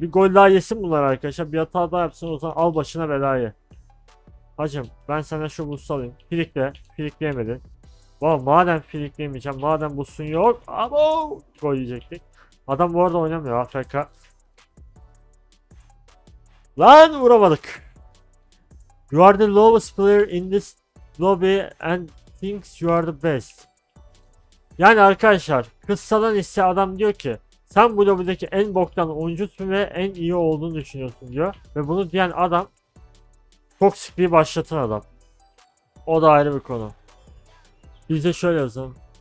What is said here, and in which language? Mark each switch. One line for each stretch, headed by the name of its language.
Turkish: Bir gol daha yesin bunlar arkadaşlar. Bir hata daha yapsın, o zaman al başına belayı. Hacım ben sana şu boost alayım. Frikle, frikleyemedi. Valla madem frikleyemeyeceğim, madem boostun yok. Abo! Gol yiyecektik. Adam bu arada oynamıyor AFK. Lan vuramadık.
English: You are the lowest player in this lobby and thinks you are the best.
Turkish: Yani arkadaşlar, kıssadan ise adam diyor ki sen bu lobideki en boktan oyuncusun ve en iyi olduğunu düşünüyorsun diyor. Ve bunu diyen adam toksikliği başlatan adam. O da ayrı bir konu. Bize şöyle yazalım.